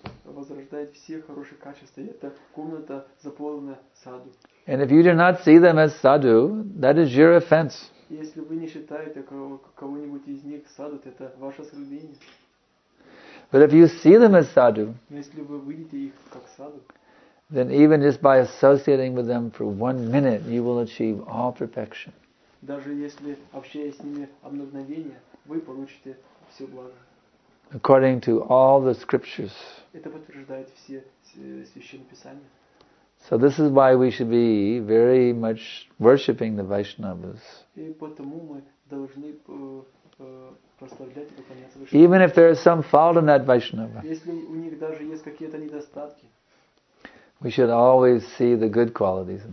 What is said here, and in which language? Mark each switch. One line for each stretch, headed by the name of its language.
Russian: Возрождает все хорошие качества. Эта комната заполнена садху.
English: And if you do not see them as sadhu, that is your offense.
Russian: Если вы не считаете кого-нибудь из них садху, это ваше оскорбление.
English: But if you see them as sadhu,
Russian: если вы видите их как садху,
English: then even just by associating with them for one minute, you will achieve all perfection.
Russian: Даже если общаясь с ними одно мгновение, вы получите все благо.
English: According to all the scriptures.
Russian: Это подтверждает все священные писания.
English: So this is why we should be very much worshipping the Vaishnavas.
Russian: И потому мы должны прославлять Вайшнавов.
English: Even if there is some fault in that Vaishnava.
Russian: Если у них даже есть какие-то недостатки.
English: We should always see the good qualities in